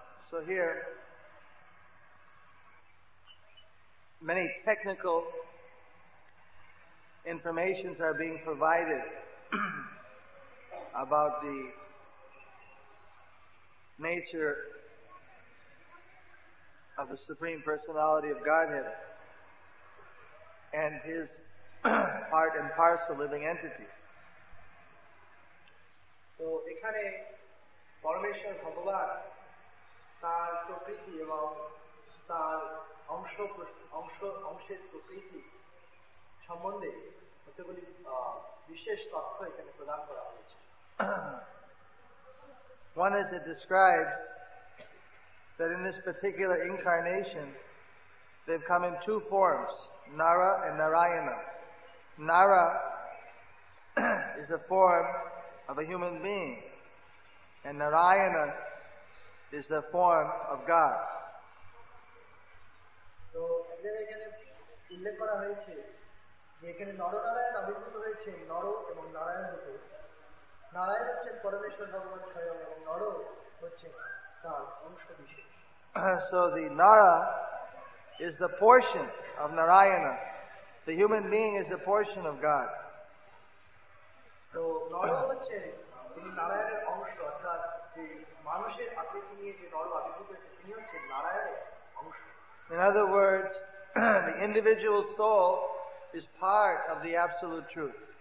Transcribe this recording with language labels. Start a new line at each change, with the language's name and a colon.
English: So here, many technical informations are being provided about the nature of the Supreme Personality of Godhead and His part and parcel living entities.
Bangla: তো এখানে পরমেশ্বর ভগবান তার প্রকৃতি এবং তার অংশের প্রকৃতি সম্বন্ধে কতগুলি বিশেষ তথ্য এখানে প্রদান করা হয়েছে।
English: One is it describes that in this particular incarnation they've come in two forms, Nara and Narayana. Nara is a form of a human being and Narayana is the form of God.
Bangla: So, এখানে উল্লেখ করা হয়েছে যে এখানে নরনারায়ণ আবির্ভূত হয়েছে নর এবং নারায়ণ রূপে। নারায়ণ হচ্ছেন পরমেশ্বর ভগবান স্বয়ং এবং নর হচ্ছেন তার অংশ বিশেষ।
English: So the Nara is the portion of Narayana. The human being is the portion of God.
Bangla: So Nara হচ্ছে তিনি নারায়ণের অংশ, অর্থাৎ যে মানুষের আকৃতি নিয়ে যে নর আবির্ভূত হয়েছে তিনি হচ্ছেন নারায়ণের অংশ।
English: In other words, the individual soul is part of the absolute truth.